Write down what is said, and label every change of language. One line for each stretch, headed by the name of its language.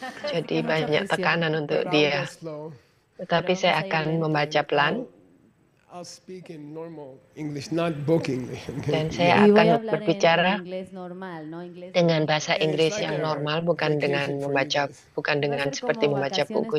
Indonesian: Jadi banyak tekanan untuk dia. Tetapi saya akan membaca pelan.
English: I'll speak in normal English, not book English. Okay?
Indonesian: Dan saya akan berbicara dengan bahasa Inggris yang normal, bukan dengan membaca, bukan dengan seperti membaca buku.